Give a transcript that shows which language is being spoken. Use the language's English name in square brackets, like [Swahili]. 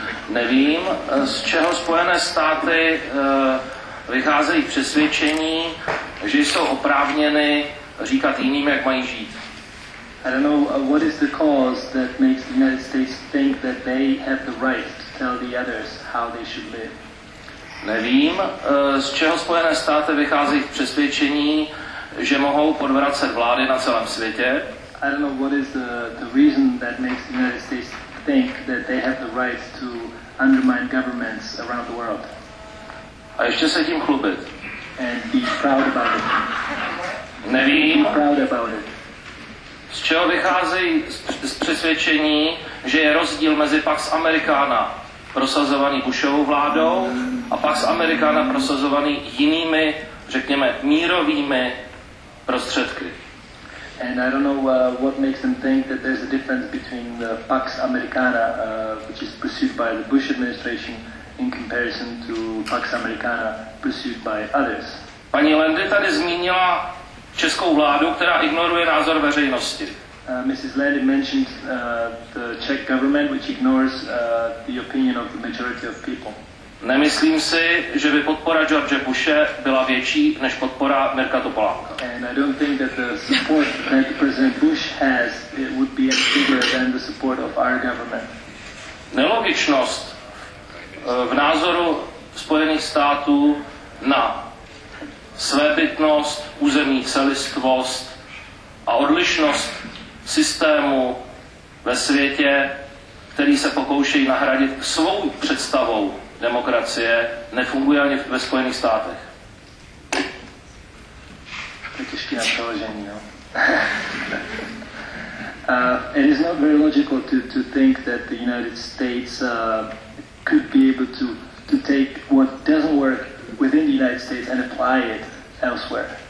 [Czech] Nevím, z čeho Spojené státy vycházejí přesvědčení, že jsou oprávněny říkat jiným, jak mají žít. [English] I don't know what is the cause that makes the United States think that they have the right to tell the others how they should live. [Czech] Nevím, z čeho Spojené státy vychází v přesvědčení, že mohou podvracet vlády na celém světě. [English] I don't know what is the reason that makes the United States think that they have the right to undermine governments around the world. [Czech] A ještě se tím chlubit. [English] And be proud about it. [Czech] Nevím. [English] Be proud about it. [Czech] Z čeho vychází z přesvědčení, že je rozdíl mezi Pax Americana prosazovaný Bushovou vládou a Pax Americana prosazovaný jinými, řekněme, mírovými prostředky. [English] And I don't know what makes them think that there's a difference between the Pax Americana, which is pursued by the Bush administration, in comparison to Pax Americana pursued by others. [Czech] Paní Lendy tady zmínila českou vládu, která ignoruje názor veřejnosti. [English] Mrs. Lendy mentioned the Czech government, which ignores the opinion of the majority of people. [Czech] Nemyslím si, že by podpora George Bushe byla větší než podpora Mirka Topolánka. [English] And I don't think that the support that President Bush has it would be any bigger than the support of our government. [Czech] Nelogičnost v názoru Spojených států na svébytnost, územní celistvost a odlišnost systému ve světě, který se pokoušejí nahradit svou představou demokracie, nefunguje ani ve Spojených státech. To je těžké na přeložení, jo. [English] It is not very logical to think that the United States could be able to take what doesn't work within the United States and apply it elsewhere.